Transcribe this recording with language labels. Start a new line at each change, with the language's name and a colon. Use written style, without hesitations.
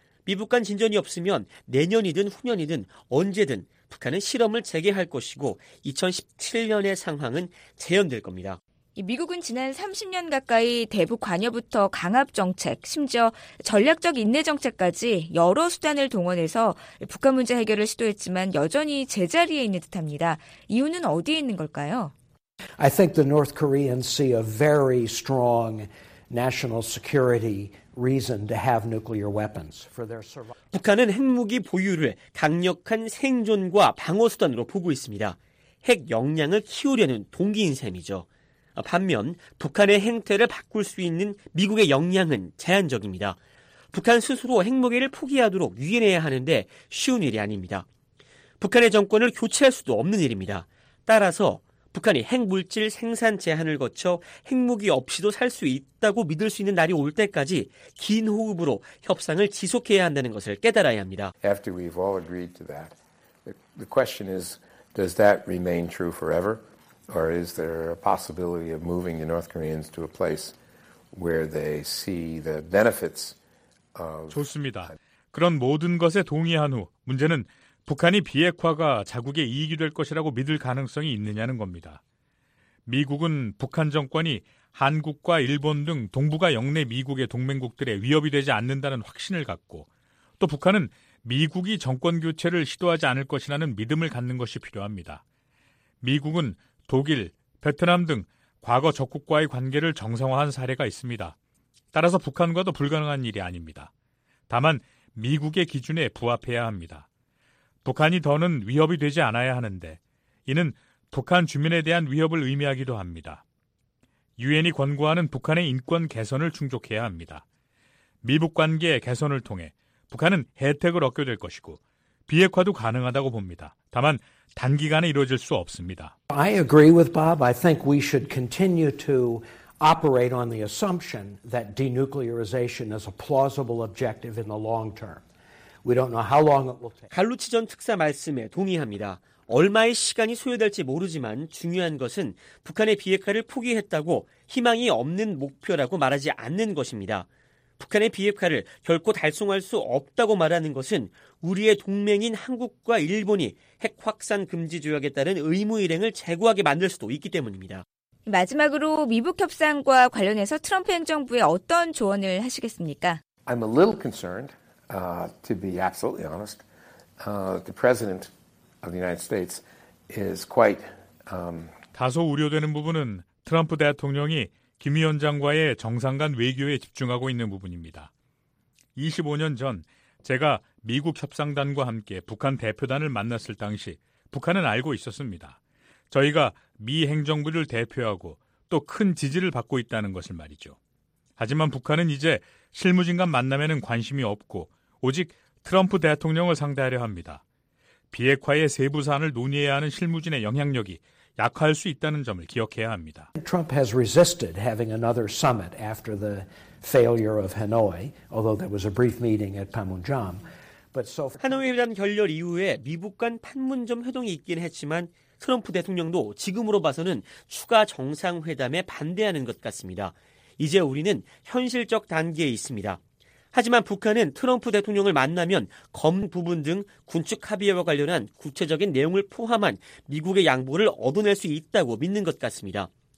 Korean: 미북 간 진전이 없으면 내년이든 후년이든 언제든 북한은 실험을 재개할 것이고 2017년의 상황은 재현될 겁니다. 미국은 지난 30년 가까이 대북 관여부터 강압 정책, 심지어 전략적 인내 정책까지 여러 수단을 동원해서 북한 문제 해결을 시도했지만 여전히 제자리에 있는 듯합니다. 이유는 어디에 있는 걸까요?
English: I think the North Koreans see a very strong national security reason to have nuclear weapons for their survival.
Korean: 북한은 핵무기 보유를 강력한 생존과 방어 수단으로 보고 있습니다. 핵 역량을 키우려는 동기인 셈이죠. 반면 북한의 행태를 바꿀 수 있는 미국의 역량은 제한적입니다. 북한 스스로 핵무기를 포기하도록 유인해야 하는데 쉬운 일이 아닙니다. 북한의 정권을 교체할 수도 없는 일입니다. 따라서 북한이 핵물질 생산 제한을 거쳐 핵무기 없이도 살 수 있다고 믿을 수 있는 날이 올 때까지 긴 호흡으로 협상을 지속해야 한다는 것을 깨달아야 합니다.
English: After we've all agreed to that, the question is, does that remain true forever? Or is there a possibility of moving the North Koreans to a place where they see the benefits of...
Korean: 좋습니다. 그런 모든 것에 동의한 후 문제는 북한이 비핵화가 자국의 이익이 될 것이라고 믿을 가능성이 있느냐는 겁니다. 미국은 북한 정권이 한국과 일본 등 동북아 영내 미국의 동맹국들의 위협이 되지 않는다는 확신을 갖고 또 북한은 미국이 정권 교체를 시도하지 않을 것이라는 믿음을 갖는 것이 필요합니다. 미국은 독일, 베트남 등 과거 적국과의 관계를 정상화한 사례가 있습니다. 따라서 북한과도 불가능한 일이 아닙니다. 다만 미국의 기준에 부합해야 합니다. 북한이 더는 위협이 되지 않아야 하는데 이는 북한 주민에 대한 위협을 의미하기도 합니다. 유엔이 권고하는 북한의 인권 개선을 충족해야 합니다. 미북 관계 개선을 통해 북한은 혜택을 얻게 될 것이고 비핵화도 가능하다고 봅니다. 다만 단기간에 이루어질 수 없습니다.
English: I agree with Bob. I think we should continue to operate on the assumption that denuclearization is a plausible objective in the long term. We don't know how long it will take.
Korean: 갈루치 전 특사 말씀에 동의합니다. 얼마의 시간이 소요될지 모르지만 중요한 것은 북한의 비핵화를 포기했다고 희망이 없는 목표라고 말하지 않는 것입니다. 북한의 비핵화를 결코 달성할 수 없다고 말하는 것은 우리의 동맹인 한국과 일본이 핵 확산 금지 조약에 따른 의무 일행을 재고하게 만들 수도 있기 때문입니다. 마지막으로 미북 협상과 관련해서 트럼프 행정부에 어떤 조언을 하시겠습니까?
English: I'm a little concerned, to be absolutely honest. The president of the United States is quite
Korean: 다소 우려되는 부분은 트럼프 대통령이 김 위원장과의 정상 간 외교에 집중하고 있는 부분입니다. 25년 전 제가 미국 협상단과 함께 북한 대표단을 만났을 당시 북한은 알고 있었습니다. 저희가 미 행정부를 대표하고 또 큰 지지를 받고 있다는 것을 말이죠. 하지만 북한은 이제 실무진 간 만남에는 관심이 없고 오직 트럼프 대통령을 상대하려 합니다. 비핵화의 세부 사안을 논의해야 하는 실무진의 영향력이 약화할 수 있다는 점을 기억해야 합니다.
English: Trump has resisted having another summit after the failure of Hanoi, although there was a brief meeting at Panmunjom. But so
Korean: 하노이 회담 결렬 이후에 미북 간 판문점 회동이 있긴 했지만 트럼프 대통령도 지금으로 봐서는 추가 정상회담에 반대하는 것 같습니다. 이제 우리는 현실적 단계에 있습니다. 하지만 북한은 트럼프 대통령을 만나면 검 부분 등 군축 합의와 관련한 구체적인 내용을 포함한 미국의 양보를 얻어낼 수 있다고 믿는 것 같습니다.